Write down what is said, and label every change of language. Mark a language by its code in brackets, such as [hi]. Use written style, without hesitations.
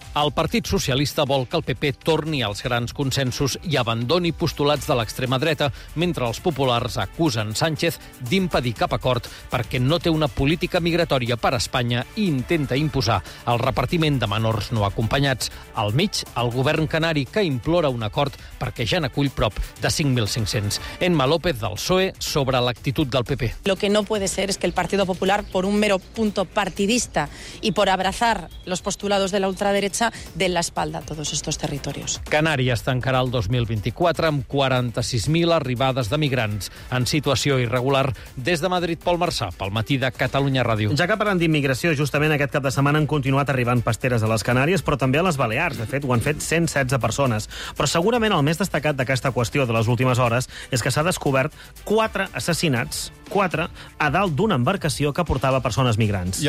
[ca] El Partit Socialista vol que el PP torni als grans consensos i abandoni postulats de l'extrema dreta, mentre els populars acusen Sánchez d'impedir cap acord perquè no té una política migratòria per a Espanya i intenta imposar el repartiment de menors no acompanyats. Al mig, el govern canari, que implora un acord perquè ja n'acull prop de 5.500. Emma López, del PSOE, sobre l'actitud del PP. [es] Lo que no puede ser es que el Partido Popular, por un mero punto partidista y por abrazar los postulados de la ultraderecha, den la espalda a todos estos territorios. [ca] Canàries tancarà el 2024 amb 46.000 arribades de migrants en situació irregular. Des de Madrid, Pol Marçà, pel Matí de Catalunya Ràdio. Ja que parlem d'immigració, justament aquest cap de setmana han continuat arribant pasteres a les Canàries, però també a les Balears. De fet, ho han fet 116 persones. Però segurament el més destacat d'aquesta qüestió de les últimes hores és que s'ha descobert 4 assassinats a dalt d'una embarcació que portava persones migrants.